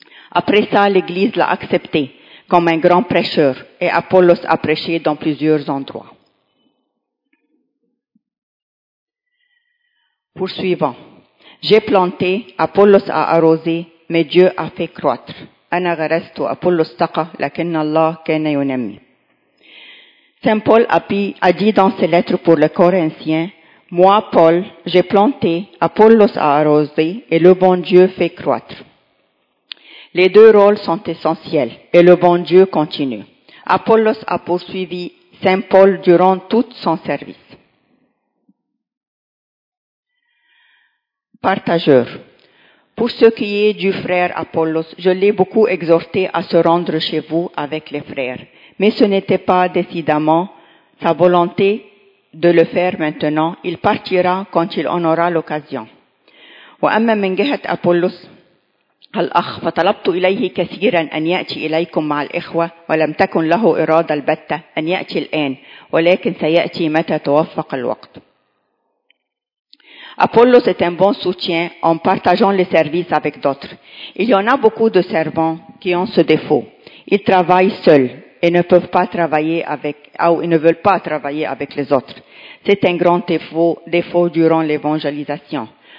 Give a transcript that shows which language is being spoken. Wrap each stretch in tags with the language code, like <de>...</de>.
<fr>Après ça, l'Église l'a accepté comme un grand prêcheur et Apollos a prêché dans plusieurs endroits. Poursuivant. J'ai planté, Apollos a arrosé, mais Dieu a fait croître.</fr> <ar>أنا غرست وأبولوس سقى لكن الله كان ينمي.</ar> <fr>Saint Paul a dit dans ses lettres pour les Corinthiens, moi Paul, j'ai planté, Apollos a arrosé et le bon Dieu fait croître. Les deux rôles sont essentiels et le bon Dieu continue. Apollos a poursuivi Saint Paul durant tout son service. Partageur. Pour ce qui est du frère Apollos, je l'ai beaucoup exhorté à se rendre chez vous avec les frères, mais ce n'était pas décidément sa volonté de le faire maintenant. Il partira quand il en aura l'occasion.</fr> <ar>وأما من جهة أبولوس الأخ فطلبت إليه كثيرا أن يأتي إليكم مع الإخوة ولم تكن له إرادة البتة أن يأتي الآن ولكن سيأتي متى توفق الوقت.</ar> <fr>Apollos est un bon soutien en partageant les services avec d'autres. Il y en a beaucoup de servants qui ont ce défaut. Ils travaillent seuls et ne peuvent pas travailler avec, ou ils ne veulent pas travailler avec les autres. C'est un grand défaut durant l'évangélisation.</fr>